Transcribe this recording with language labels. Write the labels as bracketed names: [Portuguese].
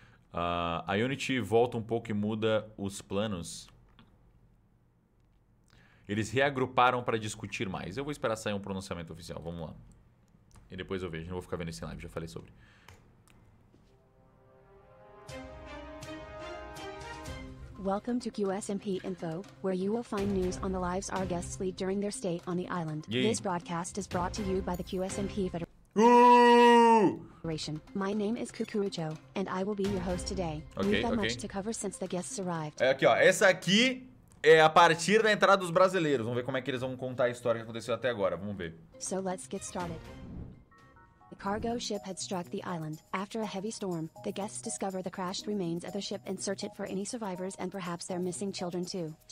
[Portuguese] A Unity volta um pouco e muda os planos. Eles reagruparam para discutir mais. Eu vou esperar sair um pronunciamento oficial. Vamos lá. E depois eu vejo. Não vou ficar vendo esse live. Já falei sobre. [English] Welcome to QSMP Info, where you will find news on the lives our guests lead during their stay on the island. Yay. This broadcast is brought to you by the QSMP Federation. My name is Kukurucho, and I will be your host today. Okay, we've got okay. much to cover since the guests arrived. [Portuguese] É aqui, ó. Essa aqui é a partir da entrada dos brasileiros. Vamos ver como é que eles vão contar a história que aconteceu até agora. Vamos ver. [English] So let's get started. The cargo ship had struck the island. After a heavy storm, the guests discover the crashed remains of the ship and search it for any survivors and perhaps their missing children too.